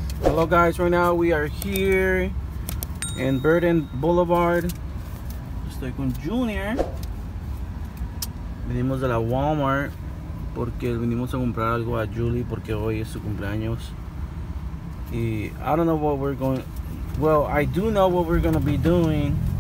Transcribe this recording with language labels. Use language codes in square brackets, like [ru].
[en] Hello guys, right now we are here in Burden Boulevard. [es] Estoy con Junior. Venimos de la Walmart porque venimos a comprar algo a Julie porque hoy es su cumpleaños. [en] Y I don't know what we're going... Well, I do know what we're going to be doing.